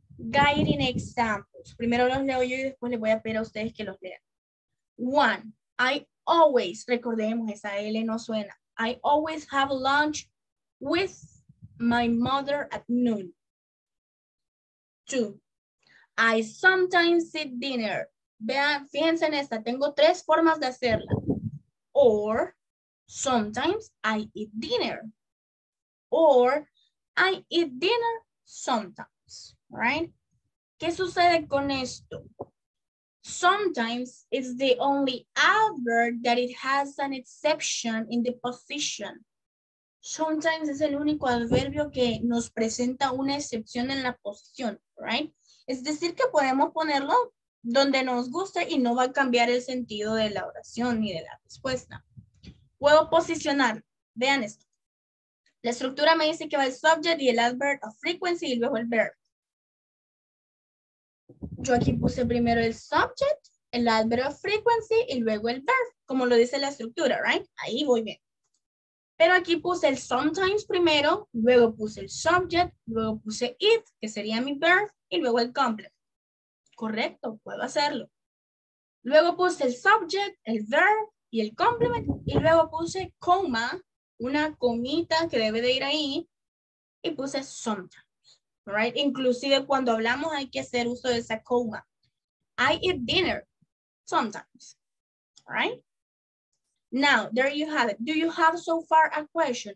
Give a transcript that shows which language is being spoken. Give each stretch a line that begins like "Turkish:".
English: Guiding examples.
Spanish: Primero los leo yo y después les voy a pedir a ustedes que los lean.
English: One, I always,
Spanish: recordemos, esa L no suena.
English: I always have lunch with my mother at noon. Two, I sometimes eat dinner.
Spanish: Vean, fíjense en esta, tengo tres formas de hacerla.
English: Or, sometimes I eat dinner. Or, I eat dinner sometimes, right?
Spanish: ¿Qué sucede con esto?
English: Sometimes it's the only adverb that it has an exception in the position.
Spanish: Sometimes es el único adverbio que nos presenta una excepción en la posición, right? Es decir, que podemos ponerlo donde nos guste y no va a cambiar el sentido de la oración ni de la respuesta. Puedo posicionar. Vean esto. La estructura me dice que va el subject y el adverb of frequency y luego el verb. Yo aquí puse primero el subject, el adverb of frequency y luego el verb, como lo dice la estructura, right? Ahí voy bien. Pero aquí puse el sometimes primero, luego puse el subject, luego puse it, que sería mi verb, y luego el complement. Correcto, puedo hacerlo. Luego puse el subject, el verb y el complement, y luego puse coma, una comita que debe de ir ahí, y puse sometimes. Right? Inclusive cuando hablamos hay que hacer uso de esa coma.
English: I eat dinner sometimes. Right? Now, there you have it. Do you have so far a question?